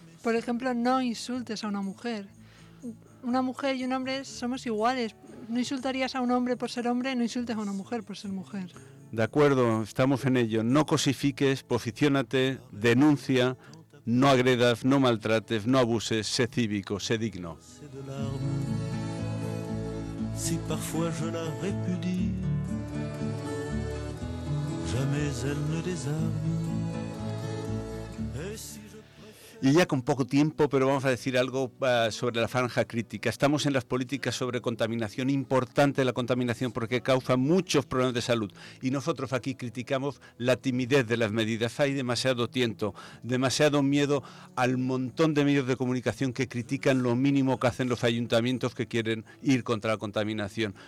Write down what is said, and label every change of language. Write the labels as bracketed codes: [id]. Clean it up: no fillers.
[es] Por ejemplo, no insultes a una mujer. Una mujer y un hombre somos iguales. No insultarías a un hombre por ser hombre, no insultes a una mujer por ser mujer. De acuerdo, estamos en ello. No cosifiques, posiciónate, denuncia, no agredas, no maltrates, no abuses, sé cívico, sé digno. [fr] Si parfois je la répudie, jamais elle ne désarme. [es] Y ya con poco tiempo, pero vamos a decir algo sobre la franja crítica. Estamos en las políticas sobre contaminación, importante la contaminación porque causa muchos problemas de salud. Y nosotros aquí criticamos la timidez de las medidas. Hay demasiado tiento, demasiado miedo al montón de medios de comunicación que critican lo mínimo que hacen los ayuntamientos que quieren ir contra la contaminación.